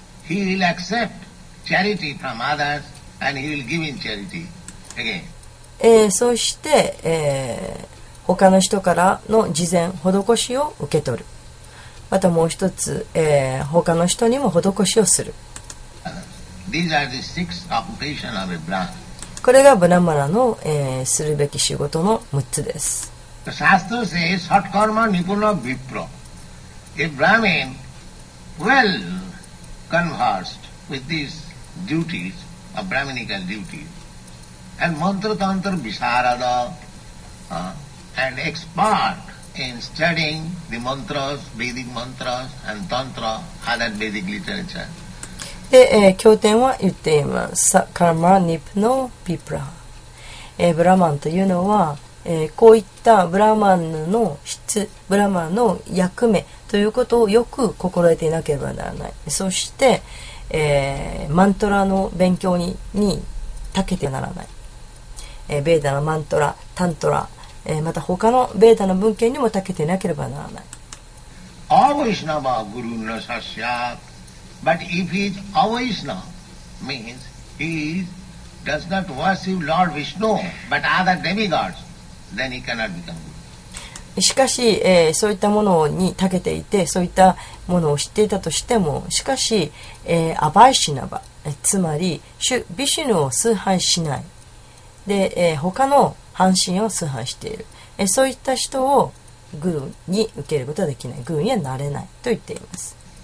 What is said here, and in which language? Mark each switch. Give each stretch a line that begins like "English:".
English: He will accept charity from others and he will give in charity again.
Japanese: そして、他の人からの慈善施しを受け取る。またもう一つ、他の人にも施しをする。
English: These are the six occupations of a Brahman.
Japanese: これがブラマナの、するべき仕事の6つです。
English: The Shastra says,
Sanskrit: "Sat karma nipuna vipra."
English: A Brahmin well conversed with these duties of Brahminical duties and mantra tantra visharada and expert in studying the mantras, Vedic mantras and tantra, other Vedic literature.
Japanese: で、経典は言っています。
Sanskrit: サカマニプノビプラ。
Japanese: ブラマンというのは、こういったブラマンの質、ブラマンの役目ということをよく心得ていなければならない。そして、マントラの勉強に長けてはならない。ベーダのマントラ、タントラ、また他のベーダの文献にも長けていなければならない。
Sanskrit: アワイシナバグルナサシャー
English: But if he is アワイシナ means he does not worship Lord Vishnu but other demigods then he cannot become good.
Japanese: しかし、そういったものに長けていてそういったものを知っていたとしてもしかし、アバイシナバつまりビシュヌを崇拝しないで、他の半身を崇拝している、そういった人をグルーに受けることはできないグルーにはなれないと言っています。